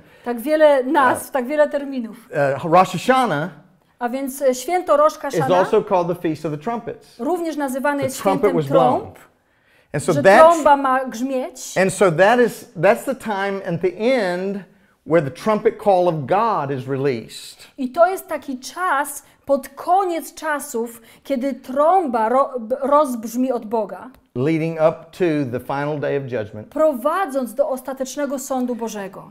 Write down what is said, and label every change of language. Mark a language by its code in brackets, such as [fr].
[pl] Tak wiele nazw, tak wiele terminów. Rosh Hashanah. A więc święto Rosh Hashanah. [en] Is also called the feast of the trumpets. [pl] Również nazywane [en] the [pl] jest [en] trumpet [pl] świętem [en] was [pl] trąb. [en] Blown. And so [pl] że trąba ma grzmieć. [en] And so that's the time at the end where the trumpet call of God is released. [pl] I to jest taki czas pod koniec czasów, kiedy trąba rozbrzmi od Boga. [en] Leading up to the final day of judgment. [pl] Prowadząc do ostatecznego sądu Bożego.